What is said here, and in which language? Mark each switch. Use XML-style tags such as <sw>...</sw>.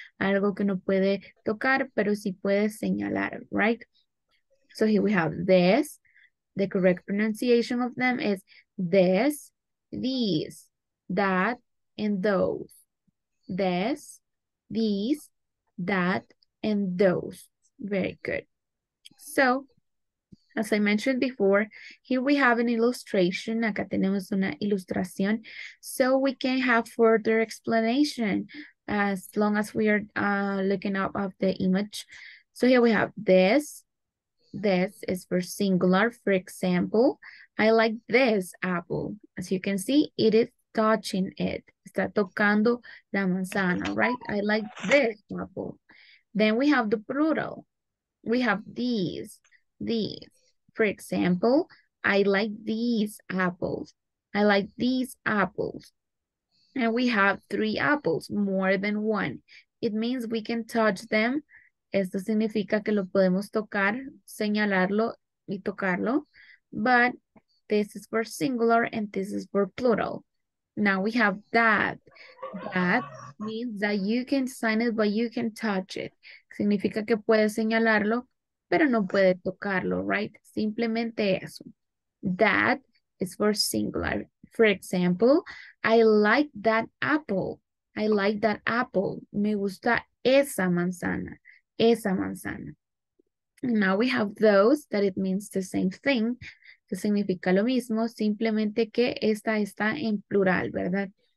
<es>Algo que no puede tocar, pero sí puede señalar, right?</es> <en>So here we have this. The correct pronunciation of them is this, these, that, and those. This, these, that, and those. Very good. So, as I mentioned before, here we have an illustration.</en> <es>Acá tenemos una ilustración.</es> <en>So we can have further explanation as long as we are looking up at the image. So here we have this. This is for singular. For example, I like this apple. As you can see, it is touching it.</en> <es>Está tocando la manzana,</es> <en>right? I like this apple. Then we have the plural. We have these. For example, I like these apples. I like these apples. And we have three apples, more than one. It means we can touch them.</en> <es>Esto significa que lo podemos tocar, señalarlo y tocarlo.</es> <en>But this is for singular and this is for plural. Now we have that. That means that you can sign it, but you can touch it.</en> <es>Significa que puedes señalarlo, pero no puede tocarlo, right? Simplemente eso.</es> <en>That is for singular. For example, I like that apple. I like that apple.</en> <es>Me gusta esa manzana. Esa manzana.</es> <en>Now we have those, that it means the same thing.</en> <es>Que significa lo mismo, simplemente que esta está en plural, ¿verdad?</es>